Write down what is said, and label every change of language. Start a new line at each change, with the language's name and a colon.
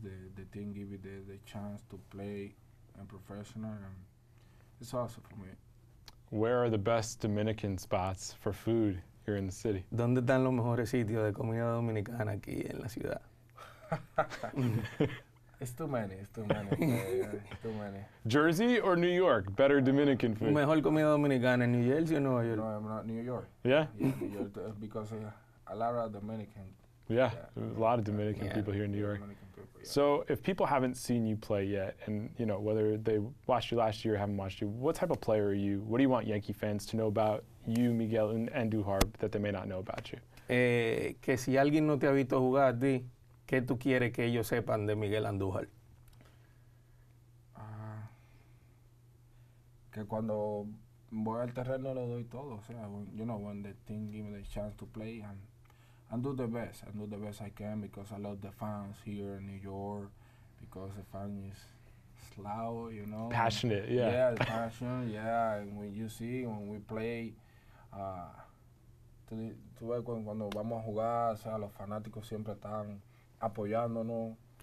English: The team give you the chance to play and professional, and it's also for me. Where are the best Dominican spots for food here in the city?
Spanish: ¿Dónde están los mejores sitios de comida dominicana aquí en la ciudad?
English: It's too many. It's too many. Jersey or New York? Better Dominican food?
Spanish: Mejor comida dominicana en New Jersey o Nueva York?
English: No, I'm not New York. Yeah? Because a lot of Dominican. Yeah, a lot of Dominican people here in New York. So if people haven't seen you play yet, and you know whether they watched you last year or haven't watched you, what type of player are you? What do you want Yankee fans to know about you, Miguel, and Andújar that they may not know about you?
Spanish: Que si alguien no te ha visto jugar, di, ¿qué tú quieres que ellos sepan de Miguel Andújar? Que cuando voy al terreno lo doy todo. O sea,
English: you know, when the team give me the chance to play, and do the best. I do the best I can because I love the fans here in New York, because the fans is loud, you know. Passionate, passion, And when you see when we play,
Spanish: tú ves cuando vamos a jugar, o sea, los fanáticos siempre están apoyándonos.